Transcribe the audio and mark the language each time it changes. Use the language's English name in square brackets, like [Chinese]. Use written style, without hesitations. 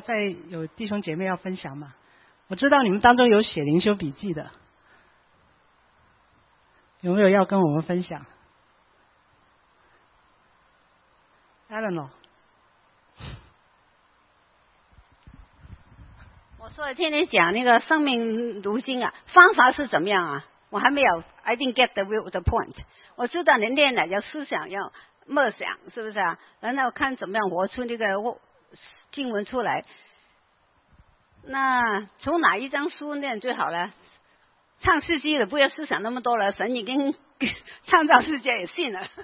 [Chinese] 再有弟兄姐妹要分享吗？我知道你们当中有写灵修笔记的，有没有要跟我们分享 ？Eleanor，我说天天讲那个生命读经啊，方法是怎么样啊？我还没有 [English] ，I didn't get the point。 [Chinese] 我知道你念了要思想要默想，是不是啊？然后看怎么样活出那个经文出来。那从哪一章书念最好呢？创世纪的不要思想那么多了，神已经创造世界也信了。